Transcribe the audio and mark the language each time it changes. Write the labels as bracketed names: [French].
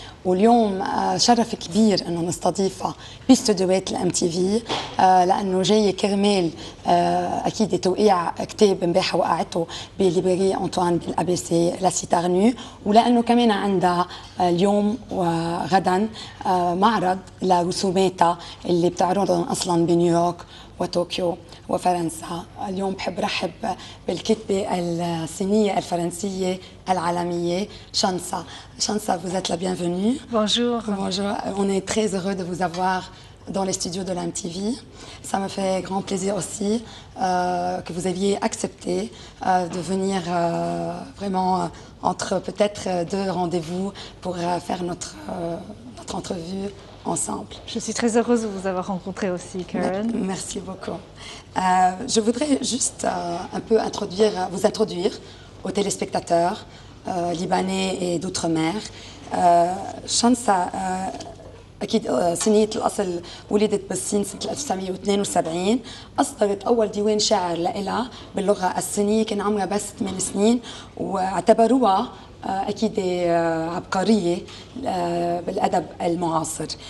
[Arabic] واليوم شرف كبير أنه نستضيفها باستوديوهات الام تي في، لأنه جاي كرمال أكيد توقيع كتاب مباحة وقعته بليبري أنتوان بالأبيسي لاسيتارنو، ولأنه كمان عندها اليوم وغدا معرض لرسوماتها اللي بتعرضهم أصلا بنيويورك وطوكيو وفرنسا. اليوم بحب رحب بالكتبة الصينية الفرنسية العالمية شانسا. [French] شانسا، vous êtes la bienvenue. Bonjour. Bonjour. On est très heureux de vous avoir dans les studios de la MTV. Ça me fait grand plaisir aussi que vous aviez accepté de venir vraiment entre peut-être deux rendez-vous pour faire notre entrevue ensemble. Je suis très heureuse de vous avoir rencontré aussi, Karen. Merci beaucoup. Je voudrais juste un peu vous introduire aux téléspectateurs libanais et d'outre-mer. [Arabic] Shansa, أكيد صينية الأصل، ولدت بالصين سنة 1972، أصدرت أول ديوان شعر لإلها باللغة الصينية، كان عمرها بس 8 سنين، واعتبروها أكيد عبقرية بالأدب المعاصر.